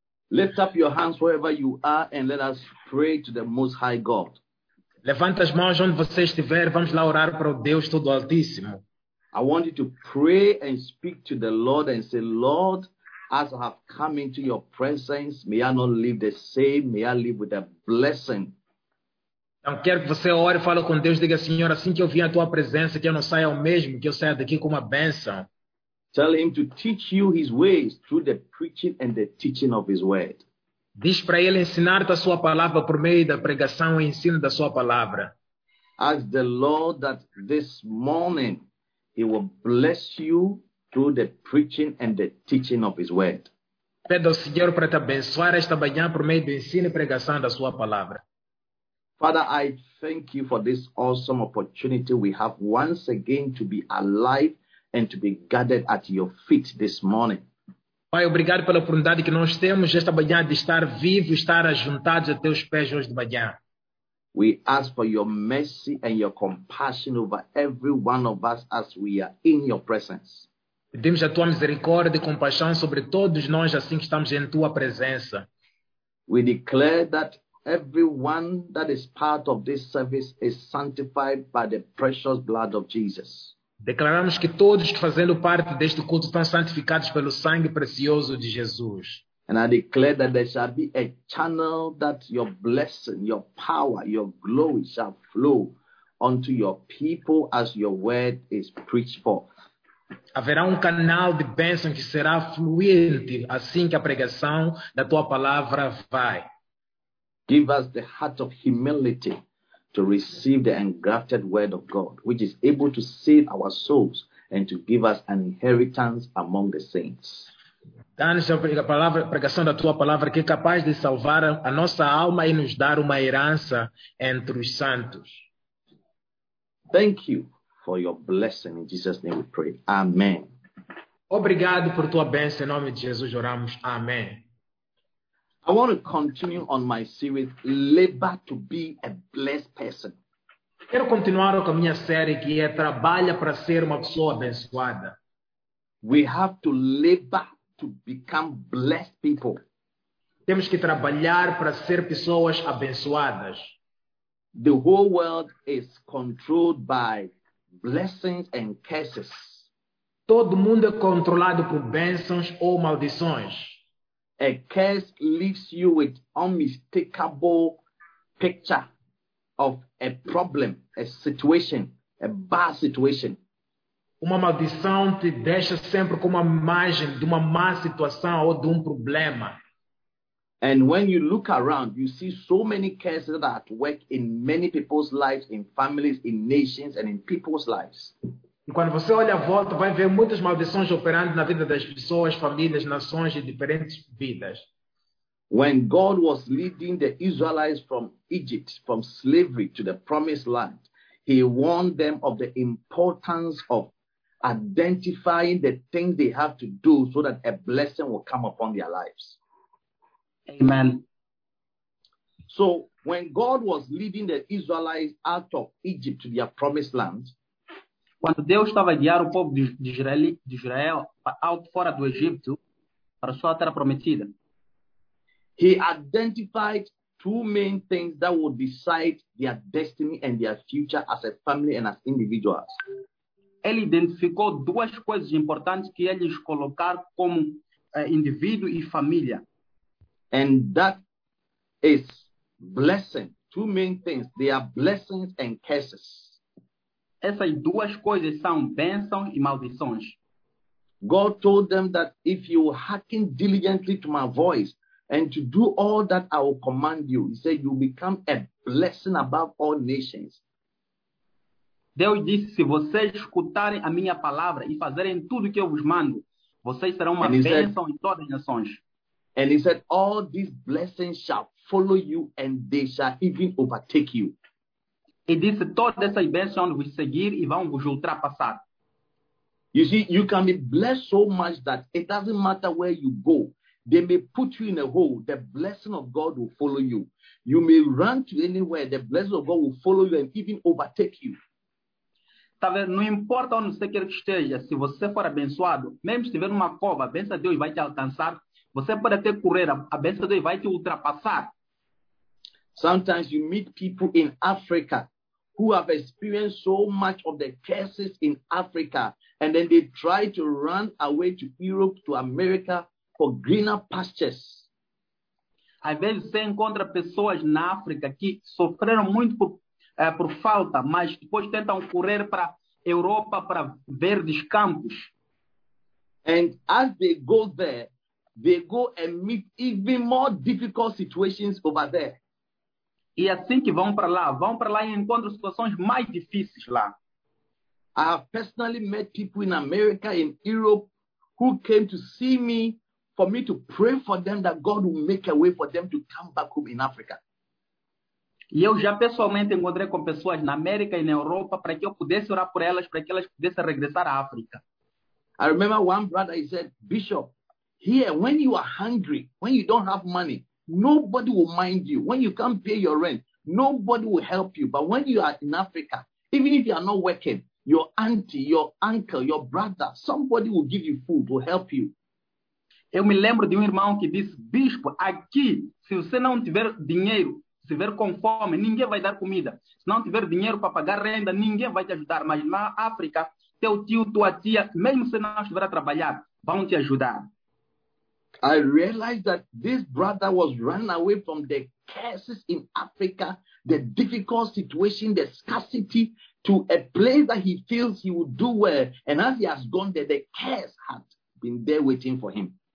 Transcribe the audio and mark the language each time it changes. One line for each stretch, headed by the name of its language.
English: Lift up your hands wherever you are and let us pray to the Most High God.
Portuguese: Levanta as mãos onde você estiver, vamos lá orar para o Deus todo altíssimo.
English: I want you to pray and speak to the Lord and say, Lord, as I have come into your presence, may I not live the same, may I live with a blessing.
Portuguese: Então quero que você ore e fale com Deus, diga, Senhor, assim que eu vim à tua presença, que eu não saia o mesmo, que eu saia daqui com uma bênção.
English: Tell him to teach you his ways through the preaching and the teaching of his word.
Portuguese: Diz para ele ensinar-te a sua palavra por meio da pregação e ensino da sua palavra.
English: Ask the Lord that this morning he will bless you through the preaching and the teaching of his word.
Portuguese: Pede ao Senhor para te abençoar esta manhã por meio do ensino e pregação da sua palavra.
English: Father, I thank you for this awesome opportunity we have once again to be alive and to be gathered at your feet this morning.
Portuguese: Pai, obrigado pela oportunidade que nós temos esta manhã de estar vivo, estar ajuntados a teus pés hoje de manhã.
English: We ask for your mercy and your compassion over every one of us as we are in your presence.
Portuguese: Pedimos a tua misericórdia e compaixão sobre todos nós assim que estamos em tua presença.
English: We declare that everyone that is part of this service is sanctified by the precious blood of Jesus.
Portuguese: Declaramos que todos que fazendo parte deste culto estão santificados pelo sangue precioso de Jesus.
English: And I declare that there shall be a channel that your blessing, your power, your glory shall flow unto your people as your word is preached forth.
Portuguese: Haverá canal de bênção que será fluente assim que a pregação da tua palavra vai.
English: Give us the heart of humility to receive the engrafted word of God, which is able to save our souls and to give us an inheritance among the saints.
Portuguese: Dá-nos a pregação da tua palavra que é capaz de salvar a nossa alma e nos dar uma herança entre os santos.
English: Thank you for your blessing. In Jesus' name we pray. Amen.
Portuguese: Obrigado por tua bênção. Em nome de Jesus oramos. Amém.
English: I want to continue on my series, Labor to be a Blessed Person.
Portuguese: Quero continuar com a minha série que é Trabalha para ser uma pessoa abençoada.
English: We have to labor to become blessed people.
Portuguese: Temos que trabalhar para ser pessoas abençoadas.
English: The whole world is controlled by blessings and curses.
Portuguese: Todo mundo é controlado por bênçãos ou maldições.
English: A curse leaves you with unmistakable picture of a problem, a situation, a bad situation.
Portuguese: Uma maldição te deixa sempre com uma imagem de uma má situação ou de problema.
English: And when you look around, you see so many curses that are at work in many people's lives, in families, in nations, and in people's lives.
Portuguese: E quando você olha à volta, vai ver muitas maldições operando na vida das pessoas, famílias, nações e diferentes vidas.
English: When God was leading the Israelites from Egypt, from slavery to the promised land, he warned them of the importance of identifying the things they have to do so that a blessing will come upon their lives. Amen. So, when God was leading the Israelites out of Egypt to their promised land,
Portuguese: Quando Deus estava a guiar o povo de Israel, fora do Egito, para a sua terra prometida,
English: He identified two main things that would decide their destiny and their future as a family and as individuals.
Portuguese: Ele identificou duas coisas importantes que eles colocaram como indivíduo e família.
English: And that is blessing. Two main things. They are blessings and curses.
Portuguese: Essas duas coisas são bênçãos e maldições.
English: God told them that if you hearken diligently to my voice and to do all that I will command you, he said, you will become a blessing above all nations.
Portuguese: Deus disse, se vocês escutarem a minha palavra e fazerem tudo o que eu vos mando, vocês serão uma bênção em todas as nações.
English: And he said, all these blessings shall follow you and they shall even overtake you.
Portuguese: E disse, todas essas bênçãos vão vos seguir e vão vos ultrapassar.
English: You see, you can be blessed so much that it doesn't matter where you go. They may put you in a hole, the blessing of God will follow you. You may run to anywhere, the blessing of God will follow you and even overtake you.
Portuguese: Tá vendo? Não importa onde você quer que esteja, se você for abençoado, mesmo se estiver numa cova, a bênção de Deus vai te alcançar. Você pode até correr, a bênção de Deus vai te ultrapassar.
English: Sometimes you meet people in Africa who have experienced so much of the curses in Africa, and then they try to run away to Europe, to America, for greener pastures.
Portuguese: Às vezes você encontra pessoas na África que sofreram muito por falta, mas depois tentam correr para Europa para verdes campos.
English: And as they go there, they go and meet even more difficult situations over there.
Portuguese: E assim que vão para lá e encontram situações mais difíceis lá.
English: I have personally met people in America, in Europe, who came to see me for me to pray for them that God will make a way for them to come back home in Africa.
Portuguese: E eu já pessoalmente encontrei com pessoas na América e na Europa para que eu pudesse orar por elas, para que elas pudessem regressar à África.
English: I remember one brother, he said, Bishop, here, when you are hungry, when you don't have money, nobody will mind you. When you can't pay your rent, nobody will help you. But when you are in Africa, even if you are not working, your auntie, your uncle, your brother, somebody will give you food, will help you.
Portuguese: Eu me lembro de irmão que disse, Bispo, aqui, se você não tiver dinheiro, se estiver com fome, ninguém vai dar comida. Se não tiver dinheiro para pagar renda, ninguém vai te ajudar. Mas na África, teu tio, tua tia, mesmo se não estiver a trabalhar, vão te ajudar.
English: I realized that this brother was running away from the curses in Africa, the difficult situation, the scarcity, to a place that he feels he would do well. And as he has gone there, the curse had been there waiting for him.